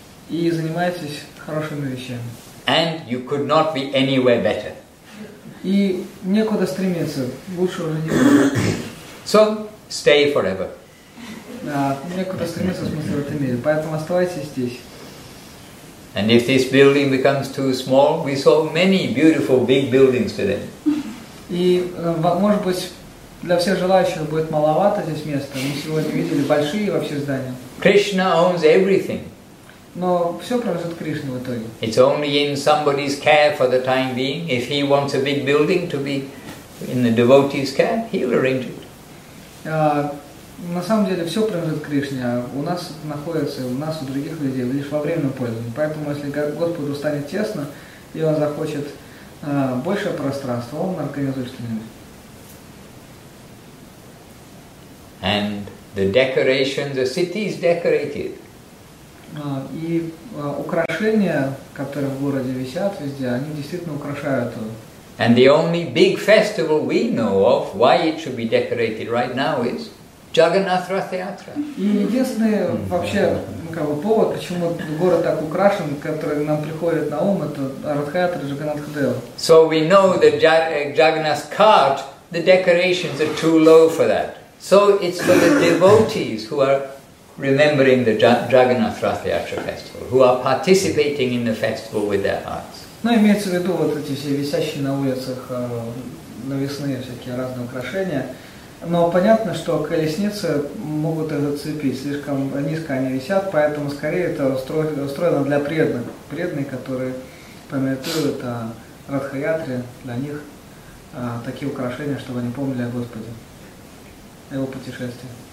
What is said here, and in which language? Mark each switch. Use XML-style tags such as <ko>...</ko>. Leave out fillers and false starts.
<ru>И занимаетесь хорошими вещами.</ru> <en>And you could not be anywhere better.</en> <ru>И некуда стремиться, лучше уже не.</ru> <en>So, stay forever.</en> <ru>Некуда стремиться, в смысле, в этом мире. Поэтому оставайтесь здесь.</ru> <en>And if this building becomes too small, we saw many beautiful big buildings today.</en> <ru>И, может быть, для всех желающих будет маловато здесь места. Мы сегодня видели большие вообще здания.</ru> <en>Krishna owns everything.</en> <ru>Но все принадлежит Кришне в итоге.</ru> <en>It's only in somebody's care for the time being. If he wants a big building to be in the devotee's care, he'll arrange it.</en> <ru>На самом деле все принадлежит Кришне, а у нас находится, у нас, у других людей, лишь во временном пользовании. Поэтому если Господу станет тесно, и он захочет большее пространство, он организует что-нибудь.</ru> <en>And the decorations, the city is decorated.</en> <ru>И украшения, которые в городе висят везде, они действительно украшают его.</ru> <en>And the only big festival we know of, why it should be decorated right now, is Jagannath Rath Yatra.</en> <ru>И единственный вообще повод, почему город так украшен, который нам приходит на ум, это Ратха Ятра, Джаганнатх Дева.</ru> <en>So we know that Jagannath's cart, the decorations are too low for that. So it's for the devotees who are remembering the Jagannath Rath Yatra festival, who are participating in the festival with their hearts.</en> <ru>Ну, имеется в виду вот эти все висящие на улицах навесные всякие разные украшения. Но понятно, что колесницы могут их зацепить, слишком низко они висят, поэтому скорее это устроено для преданных. Преданные, которые памятуют о Радхаятре, для них такие украшения, чтобы они помнили о Господе, о его путешествии.</ru>